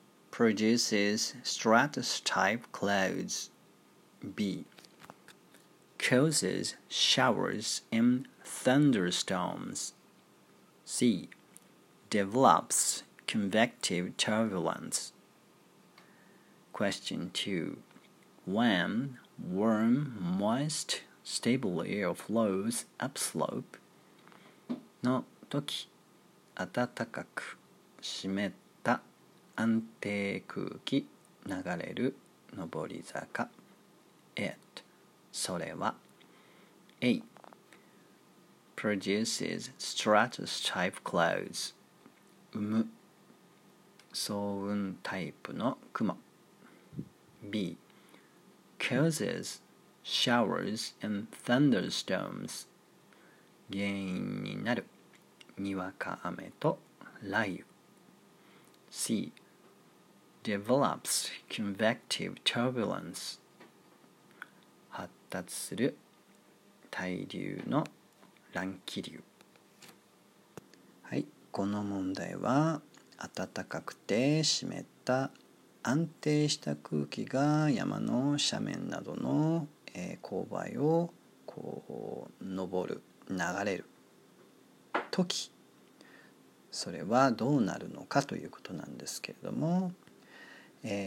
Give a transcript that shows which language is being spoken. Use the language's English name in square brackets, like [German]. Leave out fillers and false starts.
[English] Produces stratus-type clouds. B. Causes showers and thunderstorms. C. Develops convective turbulence. Question 2. When warm, moist, stable air flows upslope [Japanese] の時、暖かく湿った安定空気流れる上り坂。 [English] It [Japanese] それは [English] A. Produces stratus type clouds. [Japanese] 生む層雲タイプの雲。B. [English] Causes showers and thunderstorms. [Japanese] 原因になるにわか雨と雷雨。 [English] C. Develops convective turbulence. [Japanese] 発達する対流の乱気流。はい、この問題は暖かくて湿った安定した空気が山の斜面などの勾配をこう登る流れる時、それはどうなるのかということなんですけれども、こ